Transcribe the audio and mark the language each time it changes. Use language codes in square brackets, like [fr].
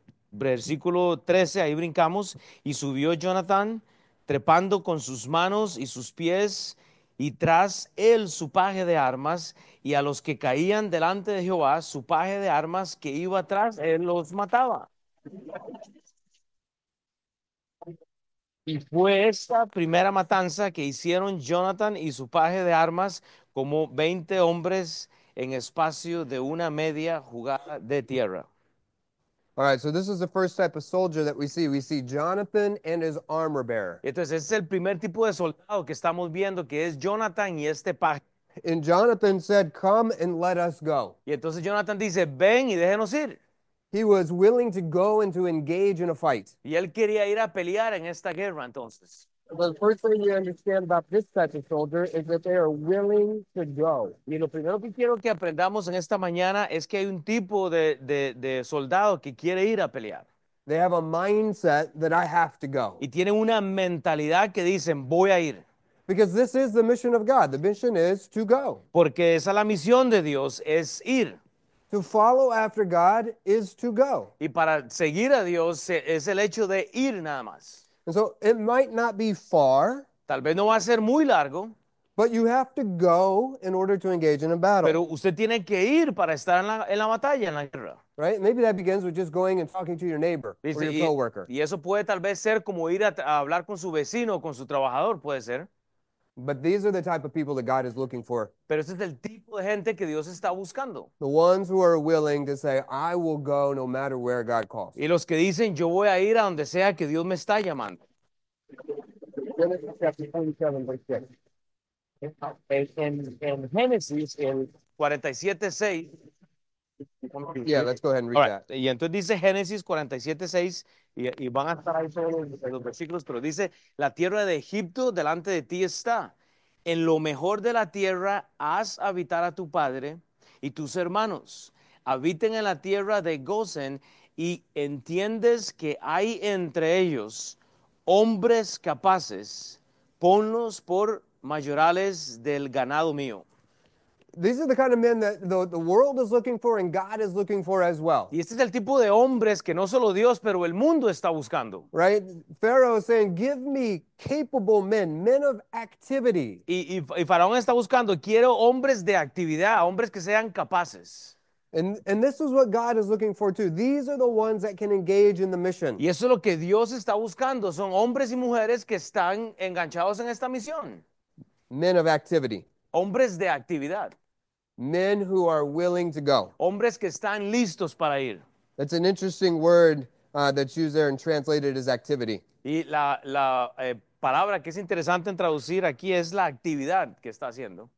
[es] Versículo 13, ahí brincamos, y subió Jonathan trepando con sus manos y sus pies, y tras él su paje de armas, y a los que caían delante de Jehová, su paje de armas que iba atrás, él los mataba. Y fue esta primera matanza que hicieron Jonathan y su paje de armas como 20 hombres en espacio de una media jugada de tierra. [en] All right, so this is the first type of soldier that we see. We see Jonathan and his armor bearer. [es] Entonces, ese es el primer tipo de soldado que estamos viendo, que es Jonathan y este paje. [en] And Jonathan said, "Come and let us go." [es] Y entonces Jonathan dice, ven y déjenos ir. [en] He was willing to go and to engage in a fight. [es] Y él quería ir a pelear en esta guerra, entonces. [en] The first thing you understand about this type of soldier is that they are willing to go. [es] Y lo primero que quiero que aprendamos en esta mañana es que hay un tipo de soldado que quiere ir a pelear. [en] They have a mindset that I have to go. [es] Y tienen una mentalidad que dicen, voy a ir. [en] Because this is the mission of God. The mission is to go. [es] Porque esa es la misión de Dios, es ir. [en] To follow after God is to go. [es] Y para seguir a Dios es el hecho de ir nada más. [en] And so it might not be far, [es] Tal vez no va a ser muy largo, [en] but you have to go in order to engage in a [es] pero [en] battle. [es] usted tiene que ir para estar en la batalla, en la guerra. [en] Right? Maybe that begins with just going and talking to your neighbor or your [es] Dice, [en] coworker. [es] y eso puede tal vez ser como ir a hablar con su vecino o con su trabajador, puede ser. [en] But these are the type of people that God is looking for. [es] Pero ese es el tipo de gente que Dios está buscando. [en] The ones who are willing to say, I will go no matter where God calls. [es] Y los que dicen, yo voy a ir a donde sea que Dios me está llamando. [en] Genesis chapter 27, verse 6. In Genesis, in 47:6. Yeah, let's go ahead and read All right. that. [es] Y entonces dice Génesis 47:6 y van a estar ahí todos los versículos, pero dice, la tierra de Egipto delante de ti está. En lo mejor de la tierra haz habitar a tu padre y tus hermanos. Habiten en la tierra de Gosén y entiendes que hay entre ellos hombres capaces. Ponlos por mayorales del ganado mío. [en] These are the kind of men that the world is looking for and God is looking for as well. [es] Y este es el tipo de hombres que no solo Dios, pero el mundo está buscando. [en] Right? Pharaoh is saying, give me capable men, men of activity. [es] Y Faraón está buscando, quiero hombres de actividad, hombres que sean capaces. [en] And this is what God is looking for too. These are the ones that can engage in the mission. [es] Y eso es lo que Dios está buscando, son hombres y mujeres que están enganchados en esta misión. [en] Men of activity. [es] Hombres de actividad. [en] Men who are willing to go. [es] Hombres que están listos para ir. [en] That's an interesting word that's used there and translated as activity. [es] Y la palabra que es interesante en traducir aquí es la actividad que está haciendo.